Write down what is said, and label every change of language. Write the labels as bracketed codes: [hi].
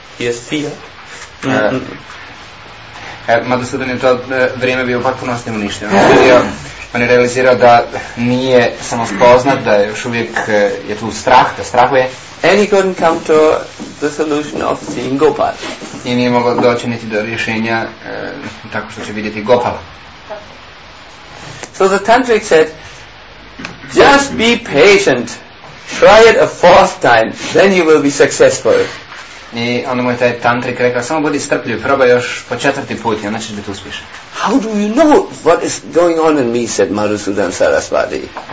[en] He is fear. [hr] Madhusudan je to vrijeme bio potpuno s njim uništeno. On je realizirao da nije samospoznat, da još uvijek je tu strah, da strahuje. [en] And he couldn't come to the solution of seeing Gopal. [hr] I nije mogao doći niti do rješenja tako što će vidjeti Gopala. [en] So the tantric said, just be patient, try it a fourth time, then you will be successful. [hr] I onda mu je taj tantric rekao, samo budi strpljiv, probaj još po četvrti put, onda ćeš biti uspješan. [en] How do you know what is going on in me, said Madhusudan Sarasvati.